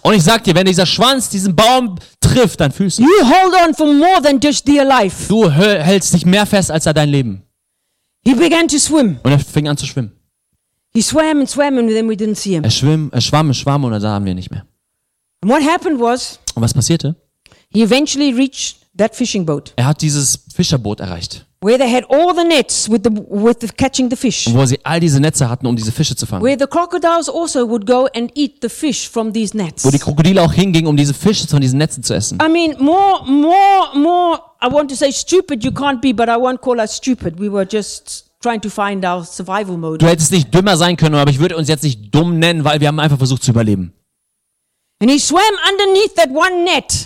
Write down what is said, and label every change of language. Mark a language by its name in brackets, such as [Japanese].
[German] Und ich sag dir, wenn dieser Schwanz diesen Baum trifft, dann fühlst du. [English] You hold on for more than just dear life. [German] Du hältst dich mehr fest als dein Leben. [English] He began to swim. [German] Und er fing an zu schwimmen. [English] He swam and swam and then we didn't see him. [German] Er schwamm und dann sahen wir nicht mehr. [English] And what happened was? [German] Und was passierte? [English] He eventually reached that fishing boat. [German] Er hat dieses Fischerboot erreicht. [English] Where they had all the nets with the catching the fish. [German] Wo sie all diese Netze hatten, um diese Fische zu fangen. [English] Where the crocodiles also would go and eat the fish from these nets. [German] Wo die Krokodile auch hingingen, um diese Fische von diesen Netzen zu essen. [English] I mean, more. I want to say stupid. You can't be, but I won't call us stupid. We were just trying to find our survival mode. [German] Du hättest nicht dümmer sein können, aber ich würde uns jetzt nicht dumm nennen, weil wir haben einfach versucht zu überleben. [English] And he swam underneath that one net.